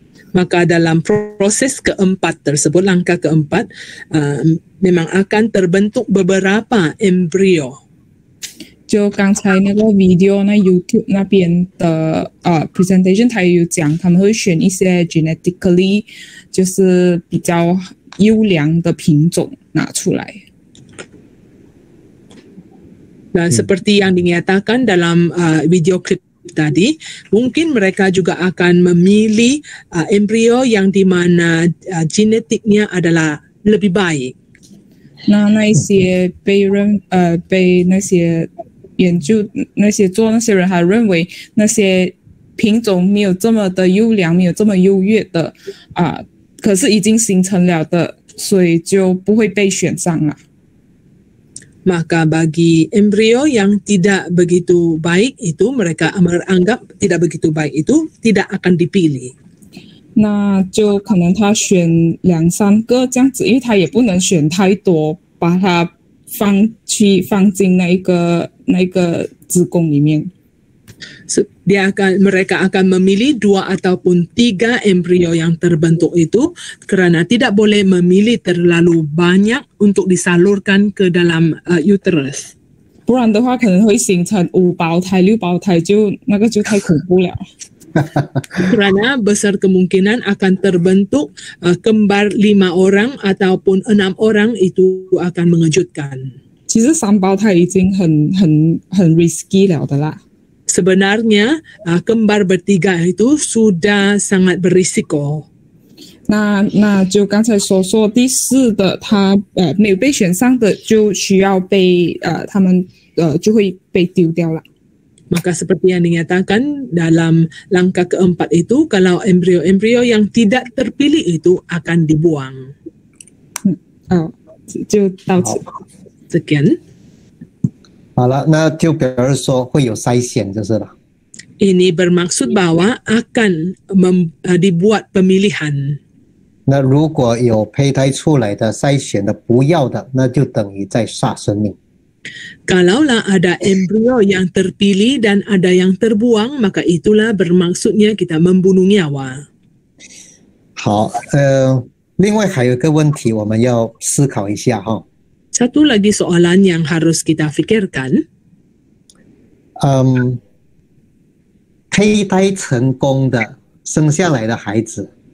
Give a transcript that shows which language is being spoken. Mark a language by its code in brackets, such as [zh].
[ms] Maka dalam proses keempat tersebut, langkah keempat, memang akan terbentuk beberapa embrio. [zh] 就刚才那个 video, 那 YouTube 那边的presentation, 他有讲他们会选一些 genetically 就是比较优良的品种拿出来。 [ms] Dan seperti yang dinyatakan dalam video clip tadi, mungkin mereka juga akan memilih embrio yang di mana genetiknya adalah lebih baik. [zh] 那些被那些研究那些做那些人还认为那些品种没有这么的优良，没有这么优越的可是已经形成了的，所以就不会被选上了。 [ms] Maka bagi embrio yang tidak begitu baik itu mereka menganggap tidak begitu baik itu tidak akan dipilih. [zh] 那就可能他选两三个这样子，因为他也不能选太多，把它放进那个子宫里面。 [ms] Mereka akan memilih dua ataupun tiga embrio yang terbentuk itu kerana tidak boleh memilih terlalu banyak untuk disalurkan ke dalam uterus. [zh] 不然的话可能会形成五胞胎六胞胎就那个就太恐怖了。 [ms] Kerana besar kemungkinan akan terbentuk kembar lima orang ataupun enam orang itu akan mengejutkan. [zh] 其实三胞胎已经很 risky 了的啦。 [ms] Sebenarnya kembar bertiga itu sudah sangat berisiko. [zh] Nah, 就刚才说第四的他没有被选上的就需要被他们就会被丢掉了。 [ms] Maka seperti yang dinyatakan dalam langkah keempat itu, kalau embrio-embrio yang tidak terpilih itu akan dibuang. [zh] 就到此。 [ms] Sekian. [zh] 好了，那就比如说会有筛选就是了。 [ms] Ini bermaksud bahwa akan dibuat pemilihan。 [zh] 那如果有胚胎出来的筛选的不要的，那就等于在杀生命。 [ms] Kalaulah ada embrio yang terpilih dan ada yang terbuang, maka itulah bermaksudnya kita membunuh nyawa。 [zh] 好，另外还有一个问题我们要思考一下哈。 [ms] Satu lagi soalan yang harus kita fikirkan. [zh] Peitai 成功的生下来的孩子